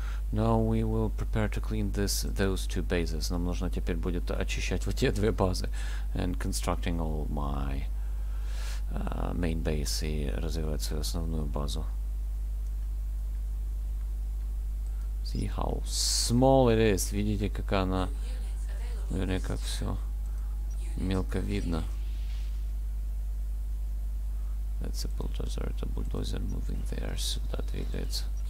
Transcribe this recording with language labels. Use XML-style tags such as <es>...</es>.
<en>Now we will prepare to clean this, those two bases.</en> <ru>Нам нужно теперь будет очищать вот те две базы.</ru> <en>And constructing all my main base</en> <ru>и развивать свою основную базу.</ru> <en>See how small it is.</en> <ru>Видите, как она, вернее, как все мелко видно.</ru> <en>That's a bulldozer. The bulldozer moving there, so that we did.</en>